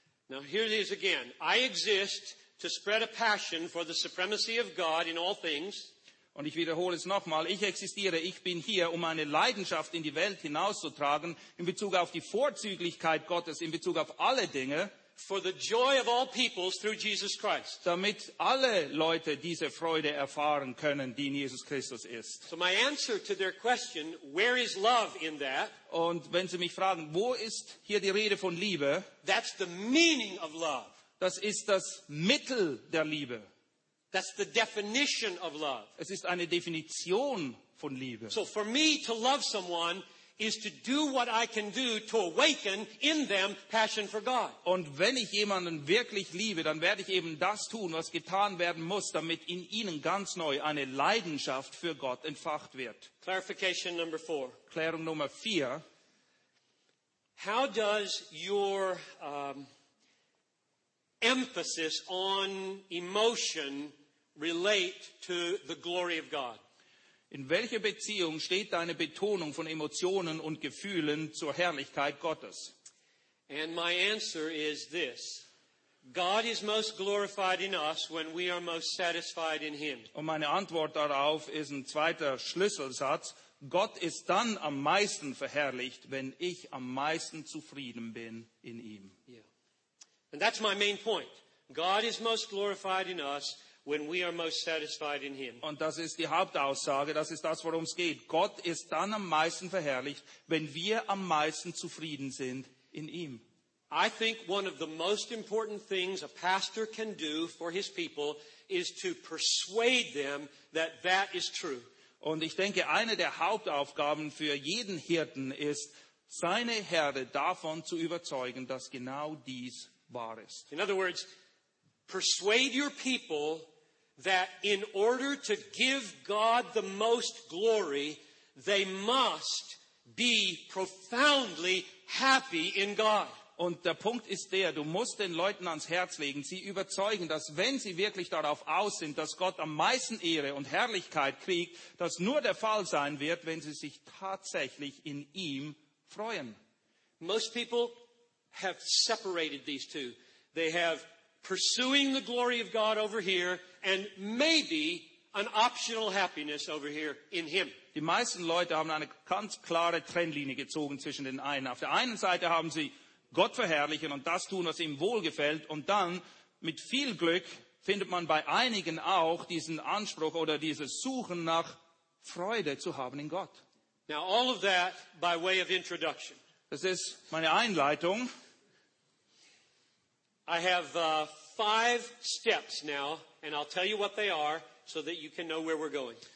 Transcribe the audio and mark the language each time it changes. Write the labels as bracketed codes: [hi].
[en] Now here it is again. I exist to spread a passion for the supremacy of God in all things. [de] Und ich wiederhole es nochmal. Ich existiere, ich bin hier, um eine Leidenschaft in die Welt hinauszutragen in Bezug auf die Vorzüglichkeit Gottes, in Bezug auf alle Dinge. [en] For the joy of all peoples through Jesus Christ. [de] Damit alle Leute diese Freude erfahren können, die in Jesus Christus ist. [en] So my answer to their question, where is love in that? [de] Und wenn sie mich fragen, wo ist hier die Rede von Liebe? [en] That's the meaning of love. [de] Das ist das Mittel der Liebe. [en] That's the definition of love. [de] Es ist eine Definition von Liebe. [en] So for me to love someone is to do what I can do to awaken in them passion for God. [de] Und wenn ich jemanden wirklich liebe, dann werde ich eben das tun, was getan werden muss, damit in ihnen ganz neu eine Leidenschaft für Gott entfacht wird. [en] Clarification number four. [de] Klärung Nummer vier. [en] How does your emphasis on emotion relate to the glory of God? [de] In welcher Beziehung steht deine Betonung von Emotionen und Gefühlen zur Herrlichkeit Gottes? [en] And my answer is this. God is most glorified in us when we are most satisfied in him. [de] Und meine Antwort darauf ist ein zweiter Schlüsselsatz. Gott ist dann am meisten verherrlicht, wenn ich am meisten zufrieden bin in ihm. [en] Yeah. And that's my main point. God is most glorified in us when we are most satisfied in him. [de] Und das ist die Hauptaussage, das ist das, worum es geht. Gott ist dann am meisten verherrlicht, wenn wir am meisten zufrieden sind in ihm. [en] I think one of the most important things a pastor can do for his people is to persuade them that that is true. [de] Und ich denke, eine der Hauptaufgaben für jeden Hirten ist, seine Herde davon zu überzeugen, dass genau dies wahr ist. [en] In other words, persuade your people that in order to give God the most glory, they must be profoundly happy in God. [de] Und der Punkt ist der, du musst den Leuten ans Herz legen, sie überzeugen, dass wenn sie wirklich darauf aus sind, dass Gott am meisten Ehre und Herrlichkeit kriegt, das nur der Fall sein wird, wenn sie sich tatsächlich in ihm freuen. [en] Most people have separated these two. They have pursuing the glory of God over here and maybe an optional happiness over here in him. [de] Die meisten Leute haben eine ganz klare Trennlinie gezogen zwischen den einen. Auf der einen Seite haben sie Gott verherrlichen und das tun, was ihm wohlgefällt. Und dann, mit viel Glück, findet man bei einigen auch diesen Anspruch oder dieses Suchen nach Freude zu haben in Gott. [en] Now all of that by way of introduction. [de] Das ist meine Einleitung. [en] I have five steps now, and I'll tell you what they are, so that you can know where we're going.